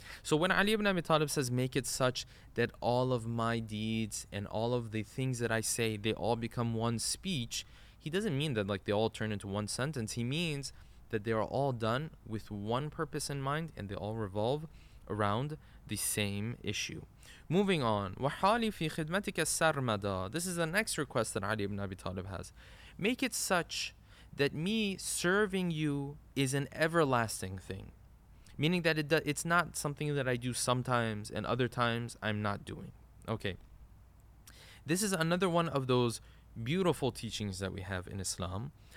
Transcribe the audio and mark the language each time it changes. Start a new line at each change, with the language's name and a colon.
English: So when Ali ibn Abi Talib says, make it such that all of my deeds and all of the things that I say, they all become one speech, he doesn't mean that like they all turn into one sentence. He means that they are all done with one purpose in mind, and they all revolve around the same issue. Moving on,
Arabic: وَحَالِي فِي خِدْمَتِكَ السَّرْمَدَى.
English: This is the next request that Ali ibn Abi Talib has. Make it such that me serving you is an everlasting thing. Meaning that it's not something that I do sometimes and other times I'm not doing. Okay. This is another one of those beautiful teachings that we have in Islam.